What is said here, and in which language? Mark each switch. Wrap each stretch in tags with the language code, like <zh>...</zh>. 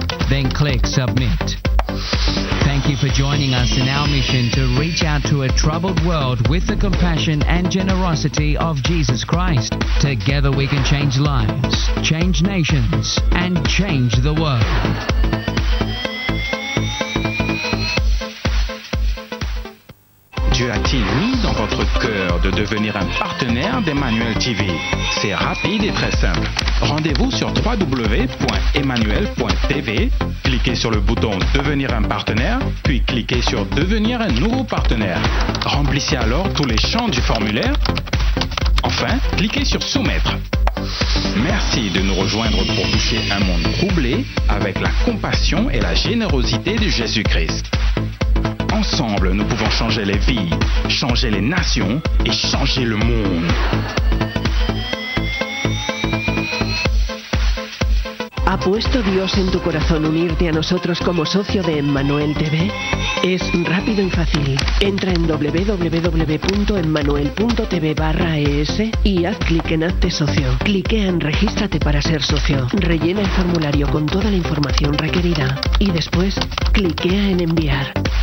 <en>Then click Submit. Thank you for joining us in our mission to reach out to a troubled world with the compassion and generosity of Jesus Christ. Together we can change lives, change nations, and change the world.</en> <fr>Dieu a-t-il mis dans votre cœur de devenir un partenaire d'Emmanuel TV? C'est rapide et très simple. Rendez-vous sur www.emmanuel.tv, cliquez sur le bouton « Devenir un partenaire », puis cliquez sur « Devenir un nouveau partenaire ». Remplissez alors tous les champs du formulaire. Enfin, cliquez sur « Soumettre ». Merci de nous rejoindre pour toucher un monde troublé avec la compassion et la générosité de Jésus-Christ. Ensemble, nous pouvons changer les vies, changer les nations et changer le monde.</fr> <es>¿Ha puesto Dios en tu corazón unirte a nosotros como socio de Emmanuel TV? Es rápido y fácil. Entra en www.emmanuel.tv/es y haz clic en Hazte Socio. Cliquea en Regístrate para ser socio. Rellena el formulario con toda la información requerida y después cliquea en Enviar.</es>